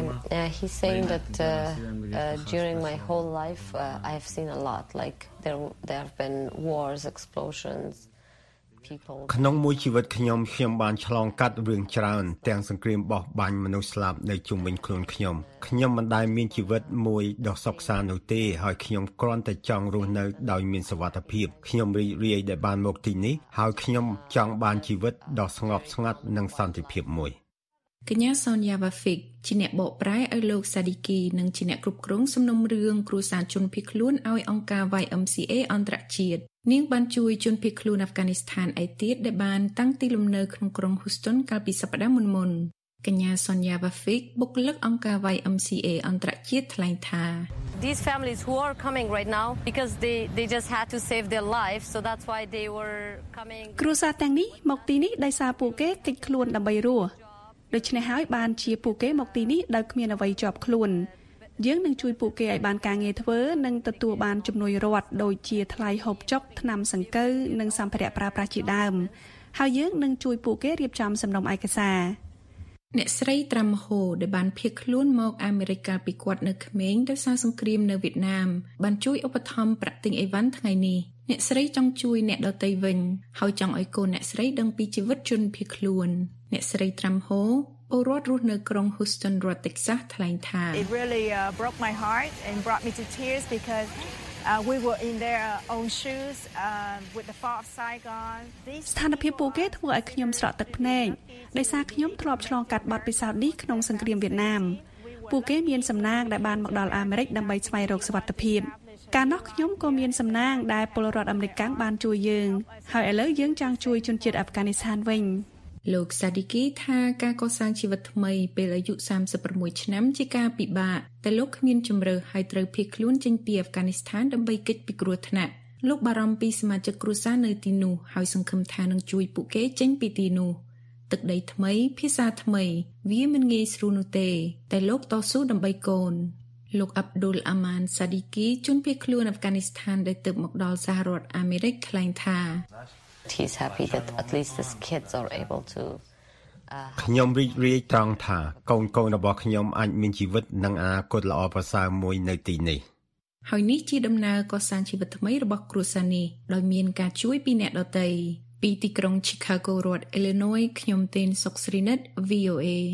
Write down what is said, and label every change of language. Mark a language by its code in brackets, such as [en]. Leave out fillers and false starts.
[en] He's saying that during my whole life I have seen a lot like there have been wars explosions [km] ក្នុងមួយជីវិតខ្ញុំបានឆ្លងកាត់រឿងច្រើនទាំងសង្គ្រាមបោះបាញ់មនុស្សស្លាប់នៅជុំវិញខ្លួនខ្ញុំខ្ញុំមិនដែលមានជីវិតមួយដ៏សុខសាន្តនោះទេហើយខ្ញុំគ្រាន់តែចង់រស់នៅដោយមានសុវត្ថិភាពខ្ញុំរីករាយដែលបានមកទីនេះហើយខ្ញុំចង់បានជីវិតដ៏ស្ងប់ស្ងាត់និងសន្តិភាពមួយ កញ្ញាសូនយ៉ាវ៉ាហ្វិកជាអ្នកបកប្រែឲ្យលោកសាឌីគីនិងជាអ្នកគ្រប់គ្រងសំណុំរឿងគ្រួសារជនភៀសខ្លួនឲ្យអង្គការ YMCA អន្តរជាតិនាងបានជួយជនភៀសខ្លួនអាហ្វហ្គានីស្ថានឯទៀតដែលបានតាំងទីលំនៅក្នុងក្រុង Houston កាលពីសប្តាហ៍មុនៗកញ្ញាសូនយ៉ាវ៉ាហ្វិកបុគ្គលិកអង្គការ YMCA អន្តរជាតិថ្លែងថា [en] These families who are coming right now because they just had to save their life so that's why they were coming [km] គ្រួសារទាំងនេះមកទីនេះដោយសារពួកគេគេចខ្លួនដើម្បីរស់ដូច្នេះហើយបានជាពួកគេមកទីនេះដោយគ្មានអ្វីជាប់ខ្លួនយើងនឹងជួយពួកគេឲ្យបានការងារធ្វើនិងទទួលបានជំនួយរដ្ឋដូចជាថ្លៃហូបចុកថ្នាំសង្កូវនិងសម្ភារៈប្រើប្រាស់ជាដើមហើយយើងនឹងជួយពួកគេរៀបចំសំណុំឯកសារ អ្នកស្រីត្រាំហូដែលបានភៀសខ្លួនមកអាមេរិកកាលពីគាត់នៅក្មេងដោយសារសង្គ្រាមនៅវៀតណាមបានជួយឧបត្ថម្ភប្រាក់ទិញអីវ៉ាន់ថ្ងៃនេះអ្នកស្រីចង់ជួយអ្នកដទៃវិញហើយចង់ឲ្យកូនអ្នកស្រីដឹងពីជីវិតជនភៀសខ្លួនអ្នកស្រីត្រាំហូពលរដ្ឋរស់នៅក្រុង Houston រដ្ឋ Texas ថ្លែងថា [en] It really broke my heart and brought me to tears because we were in their own shoes with the fall of Saigon [km] ស្ថានភាពពួកគេធ្វើឲ្យខ្ញុំស្រក់ទឹកភ្នែកដោយសារខ្ញុំធ្លាប់ឆ្លងកាត់បទពិសោធន៍នេះក្នុងសង្គ្រាមវៀតណាមពួកគេមានសំណាងដែលបានមកដល់អាមេរិកដើម្បីស្វែងរកសុវត្ថិភាពកាលនោះខ្ញុំក៏មានសំណាងដែលពលរដ្ឋអាមេរិកបានជួយយើងហើយឥឡូវយើងចង់ជួយជនជាតិអាហ្វហ្គានីស្ថានវិញ លោក Sadiqi ថាការកសាងជីវិតថ្មីពេលអាយុ36ឆ្នាំជាការពិបាកតែលោកគ្មានជម្រើសហើយត្រូវភៀសខ្លួនចេញពីអាហ្វហ្គានីស្ថានដើម្បីគេចពីគ្រោះថ្នាក់លោកបារម្ភពីសមាជិកគ្រួសារនៅទីនោះហើយសង្ឃឹមថានឹងជួយពួកគេចេញពីទីនោះទឹកដីថ្មីភាសាថ្មីវាមិនងាយស្រួលនោះទេតែលោកតស៊ូដើម្បីកូនលោក Abdul Aman Sadiqi ជនភៀសខ្លួនអាហ្វហ្គានីស្ថានដែលទើបមកដល់សហរដ្ឋអាមេរិកថ្លែងថា [en] He's happy that at least his kids are able to [km] ខ្ញុំរីករាយត្រង់ថាកូនកូនរបស់ខ្ញុំអាចមានជីវិតនិងអនាគតល្អប្រសើរមួយនៅទីនេះ ហើយនេះជាដំណើរកសាងជីវិតថ្មីរបស់គ្រួសារនេះដោយមានការជួយពីអ្នកដទៃពីទីក្រុង Chicago រដ្ឋ Illinois ខ្ញុំទីនសុកស្រីនិត VOA